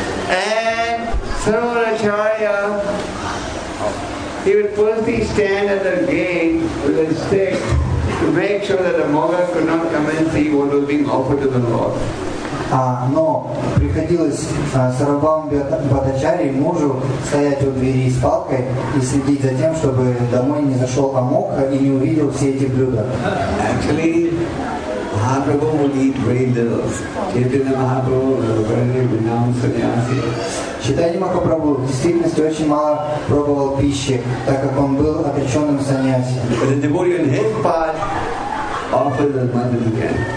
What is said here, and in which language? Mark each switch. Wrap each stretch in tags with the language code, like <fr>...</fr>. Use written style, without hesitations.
<en>And Sarvabhaumacharya, he would firstly stand at the gate with a stick to make sure that the mogha could not come and see what was being offered to the Lord.</en> <ru>Но приходилось Сарвабхаума Бхаттачарье мужу стоять у двери с палкой и следить за тем, чтобы домой не зашел амок и не увидел все эти блюда.</ru> <en>Actually, Mahaprabhu would eat very little. Chaitanya Mahaprabhu was a very renowned sannyasi.</en> <ru>Chaitanya Mahaprabhu в действительности очень мало пробовал пищи, так как он был отреченным сannyasi.</ru> <en>But the devotee in his part offered as much as he can.</en>